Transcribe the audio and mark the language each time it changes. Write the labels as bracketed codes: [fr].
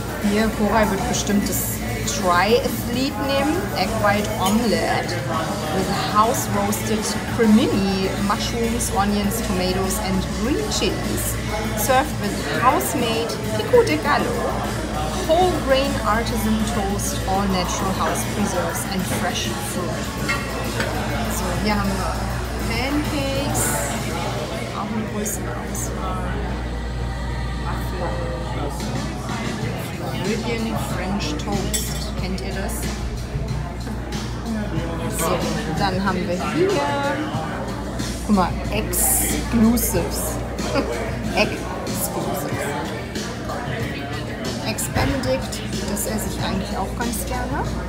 [de] Hier, Cora wird bestimmt das Triathlete nehmen. [en] Egg White Omelette with House Roasted Cremini Mushrooms, Onions, Tomatoes and Green Cheese. Served with House-Made Pico de Gallo. Whole Grain Artisan Toast, All Natural House Preserves and Fresh Fruit. [de] So, hier haben wir Pancakes. Auch eine größere Auswahl. [en] Caribbean French Toast. [de] Kennt ihr das? So, dann haben wir hier, guck mal, Exclusives. [en] Exclusives. [de] Ex-Benedict, das esse ich eigentlich auch ganz gerne.